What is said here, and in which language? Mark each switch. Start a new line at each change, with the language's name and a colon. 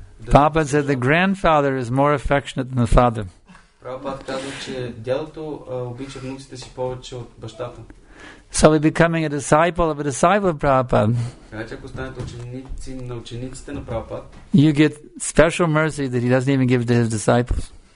English: Papa said the grandfather is more affectionate than the father.
Bulgarian: Правопата казва, че дядото обича внуците си повече от бащата.
English: So we're becoming a disciple of a disciple of Prabhupada. You get special mercy that he doesn't even give to his disciples.